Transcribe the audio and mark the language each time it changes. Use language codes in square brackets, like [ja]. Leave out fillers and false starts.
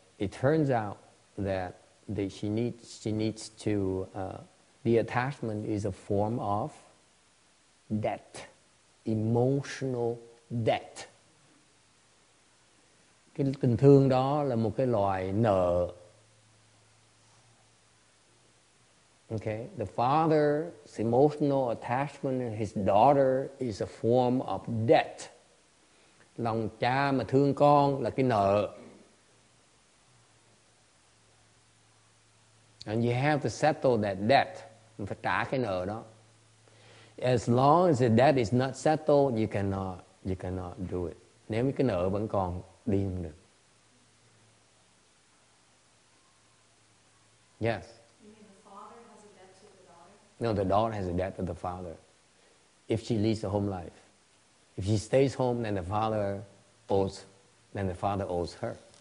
[en] It turns out that she needs to the attachment is a form of debt, emotional debt. [vi] Cái tình thương đó là một cái loại nợ. [en] Okay, the father's emotional attachment to his daughter is a form of debt. [vi] Lòng cha mà thương con là cái nợ. [en] And you have to settle that debt. [vi] Mình phải trả cái nợ đó. [en] As long as the debt is not settled, you cannot do it. [vi] Nếu cái nợ vẫn còn, đi không được. [en] Yes. You mean the father has a debt to the daughter? No, the daughter has a debt to the father. If she leaves the home life. If she stays home, then the father owes her.